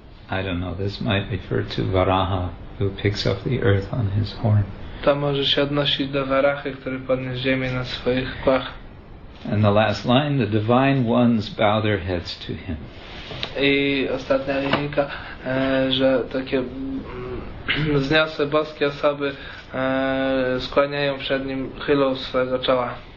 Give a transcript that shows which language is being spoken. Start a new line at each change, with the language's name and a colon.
English: I don't know, this might refer to Varaha, who picks up the earth on his horn.
Polish: To może się odnosić do Varahy, który podniósł ziemię na swoich kłach.
English: And the last line, the divine ones bow their heads to him.
Polish: I ostatnia linijka, że takie wzniosłe boskie osoby skłaniają przed nim, chylą swojego czoła.